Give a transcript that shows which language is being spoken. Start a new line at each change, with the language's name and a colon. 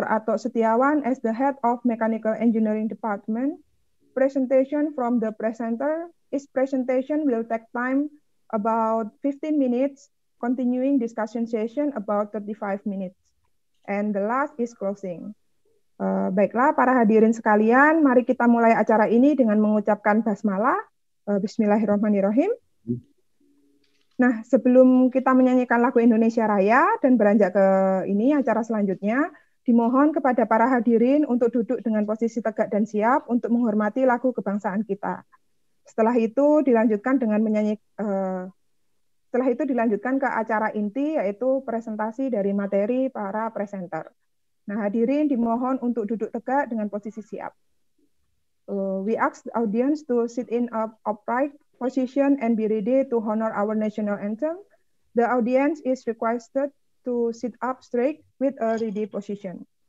English: Ato Setiawan as the head of Mechanical Engineering Department, presentation from the presenter. His presentation will take time about 15 minutes, continuing discussion session about 35 minutes. And the last is closing.
Indonesian: Baiklah, para hadirin sekalian, mari kita mulai acara ini dengan mengucapkan basmalah. Bismillahirrahmanirrahim. Nah, sebelum kita menyanyikan lagu Indonesia Raya dan beranjak ke ini acara selanjutnya, dimohon kepada para hadirin untuk duduk dengan posisi tegak dan siap untuk menghormati lagu kebangsaan kita. Setelah itu dilanjutkan dengan dilanjutkan ke acara inti yaitu presentasi dari materi para presenter. Nah, hadirin dimohon untuk duduk tegak dengan posisi siap.
English: We ask the audience to sit in an upright position and be ready to honor our national anthem. The audience is requested to sit up straight with a ready position.